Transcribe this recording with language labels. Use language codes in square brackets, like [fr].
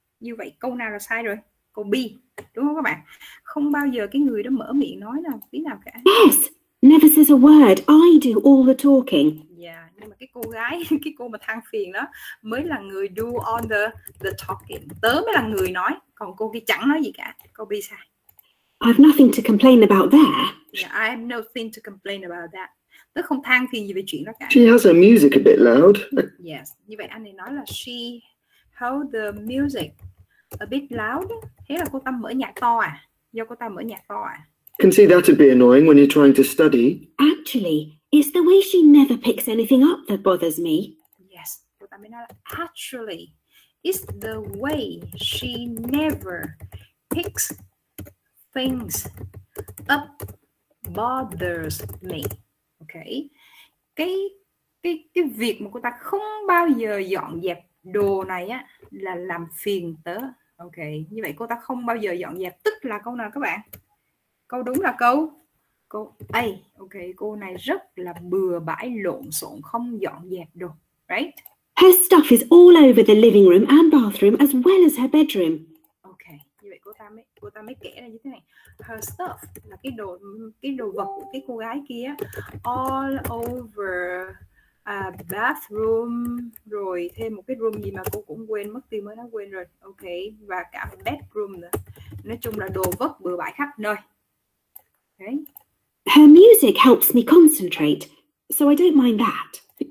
[vi] Như vậy câu nào là sai rồi? Câu B, đúng không các bạn? Không bao giờ cái người đó mở miệng nói là tí nào cả. [en] Yes, never says a word. I do all the talking. [vi] Yeah, nhưng mà cái cô gái, cái cô mà than phiền đó mới là người [en] do all the talking. [vi] Tớ mới là người nói, còn cô kia chẳng nói gì cả. Câu B sai. [en] I have nothing to complain about that. Yeah, I have nothing to complain about that. [vi] Tớ không than phiền gì về chuyện đó cả. [en] She has her music a bit loud. Yes, [vi] như vậy anh ấy nói là [en] she held the music a bit loud. [vi] Thế là cô ta mở nhạc to à? Do cô ta mở nhạc to à? [en] Can see that would be annoying when you're trying to study. Actually, it's the way she never picks anything up that bothers me. Yes, [vi] cô ta mới nói là [en] actually, it's the way she never picks things up bothers me. [vi] Okay, cái việc mà cô ta không bao giờ dọn dẹp đồ này á là làm phiền tớ. Ok, như vậy cô ta không bao giờ dọn dẹp, tức là câu nào các bạn? Câu đúng là câu A. Ok, cô này rất là bừa bãi lộn xộn, không dọn dẹp đồ, right? [en] Her stuff is all over the living room and bathroom as well as her bedroom. [vi] Ok, như vậy cô ta mới kể là như thế này. [en] Her stuff [vi] là cái đồ vật của cái cô gái kia, [en] all over bathroom, [vi] rồi thêm một cái room gì mà cô cũng quên mất tiêu, mới đã quên rồi. Ok, và cả bedroom nữa. Nói chung là đồ vật bừa bãi khắp nơi. [en] Okay. Her music helps me concentrate, so I don't mind that.